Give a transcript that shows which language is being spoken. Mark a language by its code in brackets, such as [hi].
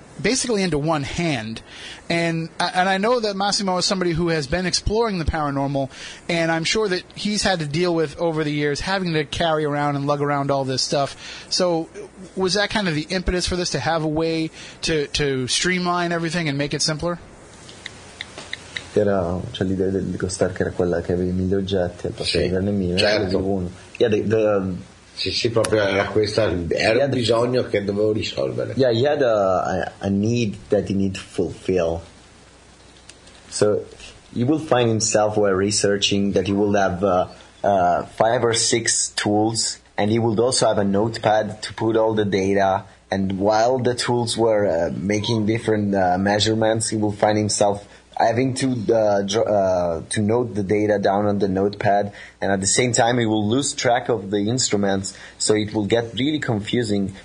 [en] basically into one hand. And I know that Massimo is somebody who has been exploring the paranormal, and I'm sure that he's had to deal with over the years having to carry around and lug around all this stuff. So was that kind of the impetus for this, to have a way to streamline everything and make it simpler? [it] Era, cioè, l'idea di Costarca era quella che avevi mille oggetti al posto, sì, di averne mille, certo. Uno. Yeah, sì, proprio era questa, era un bisogno che dovevo risolvere. [en] Yeah, he had a need that he needed to fulfill. So he will find himself while researching that he will have five or six tools, and he will also have a notepad to put all the data. And while the tools were making different measurements, he will find himself having to note the data down on the notepad, and at the same time he will lose track of the instruments, so it will get really confusing.